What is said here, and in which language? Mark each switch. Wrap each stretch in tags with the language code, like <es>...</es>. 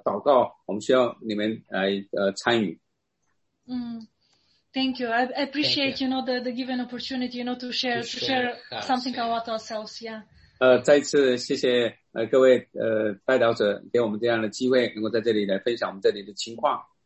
<zh>但是我们没办法独自完成神给我们这样这么又大又难的工作，我们需要团队，我们需要祷告，我们需要你们来参与。</zh> <en>Thank you. I appreciate Thank you. You know the given opportunity, you know, to share something about ourselves. Yeah.</en> <zh>再次谢谢各位代表者给我们这样的机会，能够在这里来分享我们这里的情况。</zh>